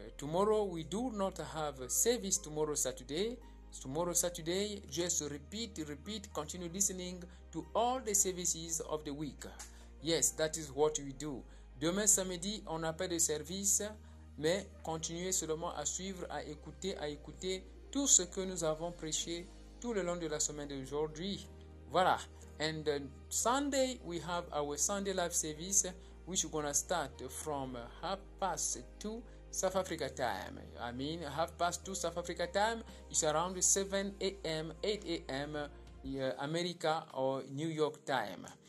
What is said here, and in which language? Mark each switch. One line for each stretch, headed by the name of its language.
English: Tomorrow, we do not have service tomorrow, Saturday. Tomorrow, Saturday, just repeat, repeat, continue listening to all the services of the week. Yes, that is what we do.
French: Demain, samedi, on n'a pas de service, mais continuez seulement à suivre, à écouter tout ce que nous avons prêché tout le long de la semaine d'aujourd'hui. Voilà.
English: And Sunday, we have our Sunday live service, which is going to start from 2:30 South Africa time. I mean, 2:30 South Africa time. It's around 7 a.m., 8 a.m. America or New York time.